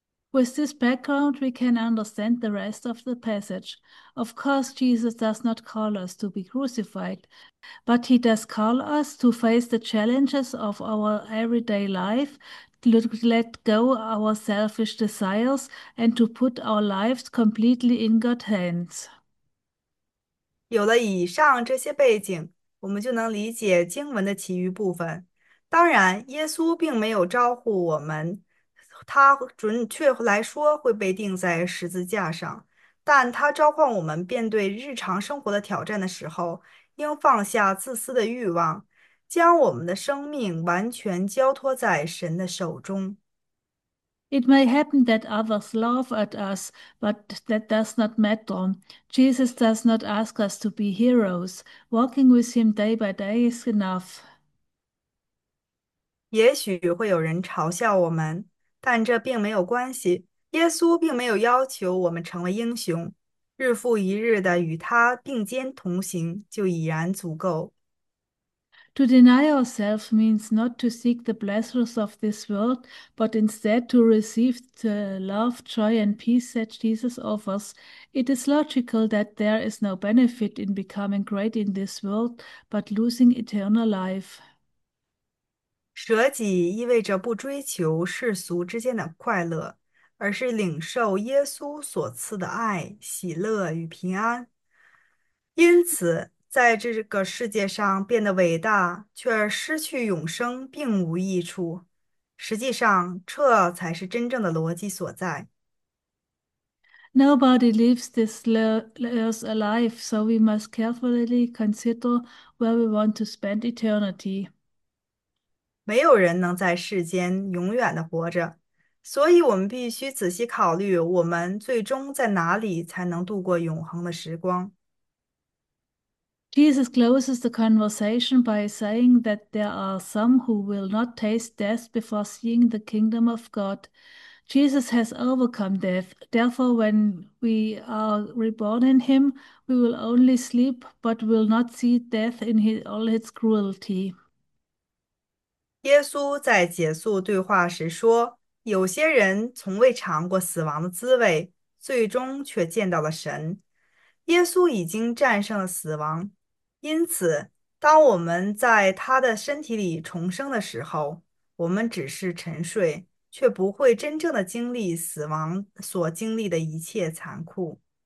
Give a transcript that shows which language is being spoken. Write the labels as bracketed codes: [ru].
[en] With this background, we can understand the rest of the passage. Of course, Jesus does not call us to be crucified, but he does call us to face the challenges of our everyday life, to let go our selfish desires, and to put our lives completely in God's hands. [zh] 有了以上这些背景，我们就能理解经文的其余部分。当然，耶稣并没有招呼我们他准确来说会被钉在十字架上，但他召唤我们面对日常生活的挑战的时候，应放下自私的欲望，将我们的生命完全交托在神的手中。 [en] It may happen that others laugh at us, but that does not matter. Jesus does not ask us to be heroes. Walking with him day by day is enough. [zh] 也许会有人嘲笑我们，但这并没有关系。耶稣并没有要求我们成为英雄，日复一日的与他并肩同行就已然足够。 [en] To deny ourselves means not to seek the blessings of this world, but instead to receive the love, joy, and peace that Jesus offers. It is logical that there is no benefit in becoming great in this world, but losing eternal life. [zh] 舍己意味着不追求世俗之间的快乐，而是领受耶稣所赐的爱、喜乐与平安。因此，在这个世界上变得伟大，却失去永生，并无益处。实际上，这才是真正的逻辑所在。 [en] Nobody leaves this earth alive, so we must carefully consider where we want to spend eternity. [zh] 没有人能在世间永远的活着，所以我们必须仔细考虑，我们最终在哪里才能度过永恒的时光。 [en] Jesus closes the conversation by saying that there are some who will not taste death before seeing the kingdom of God. Jesus has overcome death. Therefore, when we are reborn in him, we will only sleep, but will not see death in all its cruelty. [zh] 耶稣在结束对话时说：“有些人从未尝过死亡的滋味，最终却见到了神。耶稣已经战胜了死亡，因此，当我们在他的身体里重生的时候，我们只是沉睡，却不会真正的经历死亡所经历的一切残酷。